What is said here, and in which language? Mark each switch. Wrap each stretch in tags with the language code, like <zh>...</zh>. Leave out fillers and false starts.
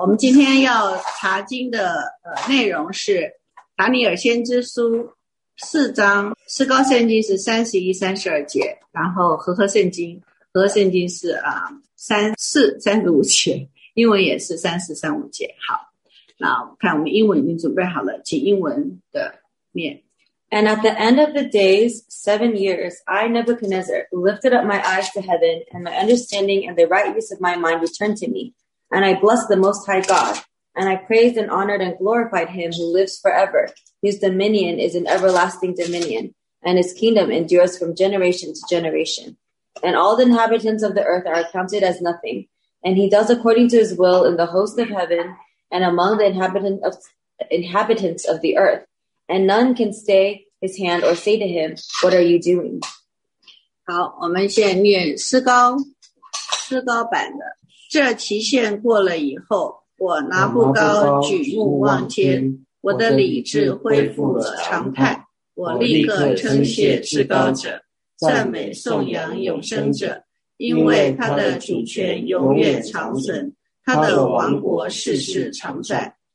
<zh>我们今天要查经的内容是达尼尔先知书四章，诗歌圣经是31、32节，然后和合圣经是34、35节，英文也是34、35节。好，那我看我们英文已经准备好了，请英文的念。</zh> <en>And at the end of the days, 7 years, I, Nebuchadnezzar, lifted up my eyes to heaven, and my understanding and the right use of my mind returned to me. And I blessed the Most High God, and I praised and honored and glorified him who lives forever, whose dominion is an everlasting dominion, and his kingdom endures from generation to generation. And all the inhabitants of the earth are accounted as nothing. And he does according to his will in the host of heaven and among the inhabitants of the earth. And none can stay his hand or say to him, what are you doing?</en> <zh>好，我们先念诗高版的。这期限过了以后，我拿布高举目望天，我的理智恢复了常态，我立刻称谢至高者，赞美颂扬永生者，因为他的主权永远长存，他的王国世世常在。</zh>